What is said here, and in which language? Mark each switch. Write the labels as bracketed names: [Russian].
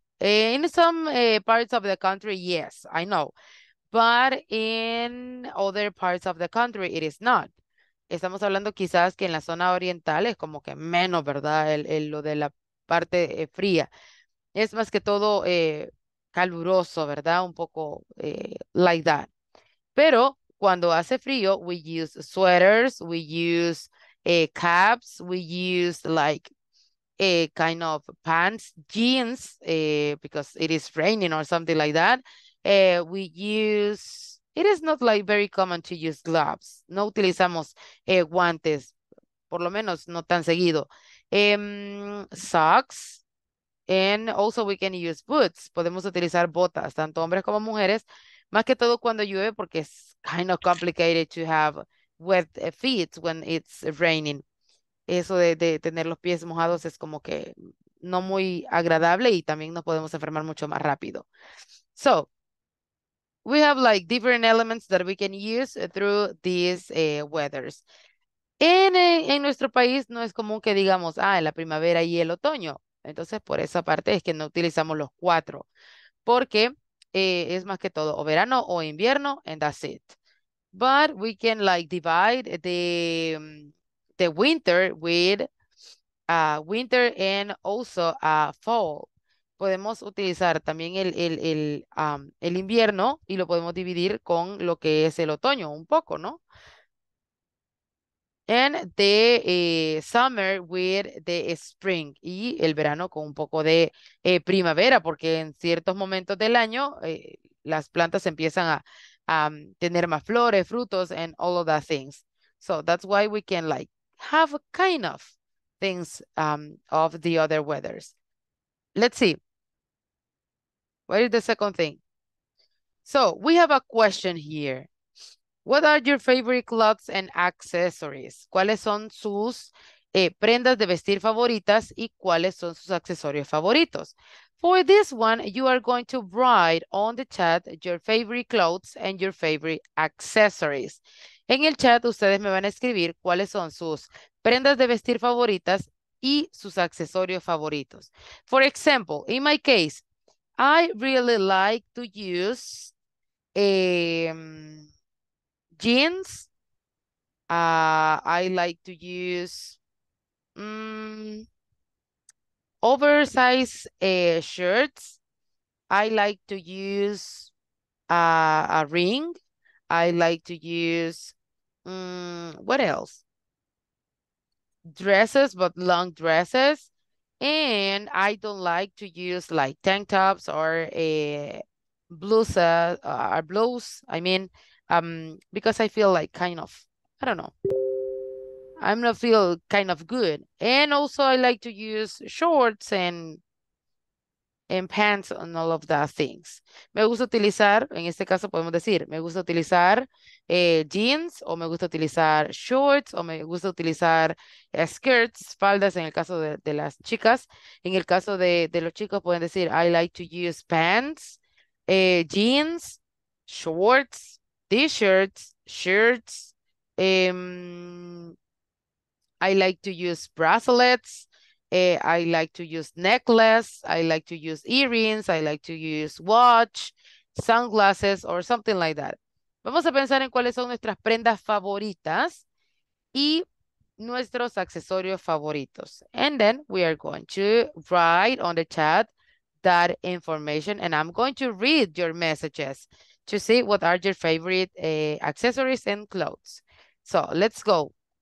[English] In some parts of the country, yes, I know. But in other parts of the country, it is not. [Spanish] Estamos hablando quizás que en la zona oriental es como que menos, ¿verdad? Lo de la parte fría. Es más que todo caluroso, ¿verdad? Un poco [English] like that. [Spanish] Pero cuando hace frío, [English] we use sweaters, we use caps, we use like a kind of pants, jeans, because it is raining or something like that. It is not like very common to use gloves. [Spanish] No utilizamos guantes, por lo menos no tan seguido. [English] Socks, and also we can use boots. [Spanish] Podemos utilizar botas, tanto hombres como mujeres, más que todo cuando llueve, porque es [English] kind of complicated to have wet feet when it's raining. [Spanish] Eso de tener los pies mojados es como que no muy agradable y también nos podemos enfermar mucho más rápido. [English] So, we have like different elements that we can use through these weathers. [Spanish] En nuestro país no es común que digamos, en la primavera y el otoño. Entonces, por esa parte es que no utilizamos los cuatro. Porque es más que todo o verano o invierno, [English] and that's it. But we can like divide the winter with winter and also fall. [Spanish] Podemos utilizar también el invierno y lo podemos dividir con lo que es el otoño un poco, ¿no? [English] And the summer with the spring [Spanish] y el verano con un poco de primavera, porque en ciertos momentos del año las plantas empiezan a tener más flores, frutos, [English] and all of that things. So that's why we can like have kind of things of the other weathers. Let's see. What is the second thing? So we have a question here. What are your favorite clothes and accessories? [Spanish] ¿Cuáles son sus prendas de vestir favoritas y cuáles son sus accesorios favoritos? [English] For this one, you are going to write on the chat your favorite clothes and your favorite accessories. [Spanish] En el chat, ustedes me van a escribir cuáles son sus prendas de vestir favoritas y sus accesorios favoritos. [English] For example, in my case, I really like to use jeans. I like to use oversized shirts. I like to use a ring. I like to use, what else? Dresses, but long dresses. And I don't like to use like tank tops or a blouse, because I feel like kind of, I don't know. I'm not feel kind of good. And also I like to use shorts and pants and all of that things. [Spanish] Me gusta utilizar, en este caso podemos decir, me gusta utilizar jeans, o me gusta utilizar shorts, o me gusta utilizar skirts, faldas en el caso de las chicas. En el caso de los chicos pueden decir, [English] I like to use pants, jeans, shorts, t-shirts, shirts, I like to use bracelets, I like to use necklace, I like to use earrings, I like to use watch, sunglasses, or something like that. [Spanish] Vamos a pensar en cuáles son nuestras prendas favoritas y nuestros accesorios favoritos. [English] And then we are going to write on the chat that information, and I'm going to read your messages to see what are your favorite accessories and clothes. So let's go.